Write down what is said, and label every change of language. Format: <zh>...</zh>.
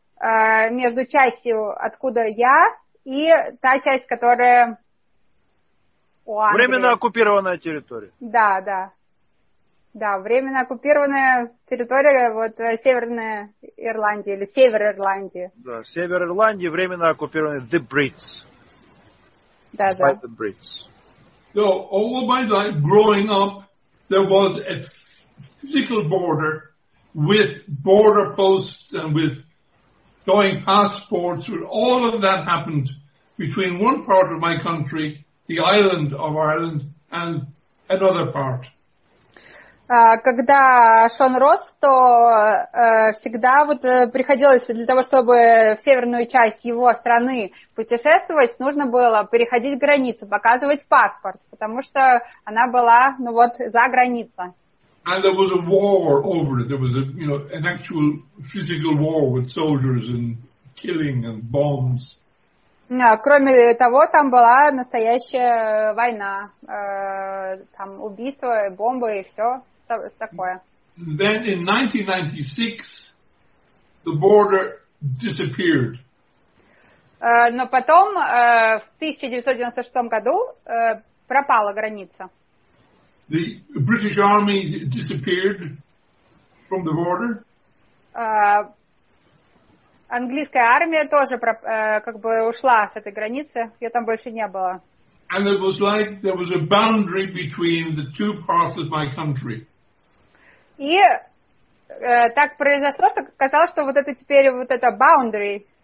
<ru>Между частью, откуда я, и та часть, которая у Англии. Временно оккупированная территория. Да, да. Да, временно оккупированная территория, вот Северная Ирландия, или Север Ирландии. Да, Север Ирландии, временно оккупированная,</ru> <en>the Brits.</en> <ru>Да,</ru> <en>by</en> <ru>да.</ru> <en>The Brits. So, all my life, growing up, there was a physical border with border posts and with going passports, all of that happened between one part of my country, the island of Ireland, and another part.</en> <ru>Когда Шон рос, то всегда вот приходилось для того, чтобы в северную часть его страны путешествовать, нужно было переходить границу, показывать паспорт, потому что она была, ну вот, за границей.</ru> <en>And there was a war over it. There was a, you know, an actual physical war with soldiers and killing and bombs.</en> <ru>No, кроме того, там была настоящая война, там убийства, бомбы и все такое.</ru> <en>Then in 1996, the border disappeared.</en> <ru>Но потом в 1996 году пропала граница.</ru> <en>The British army disappeared from the border.</en> <ru>английская армия тоже как бы ушла с этой границы, ее там больше не было.</ru> <en>And it was like there was a boundary between the two parts of my country.</en> <ru>И так произошло, что казалось, что вот это теперь вот это boundary.</ru>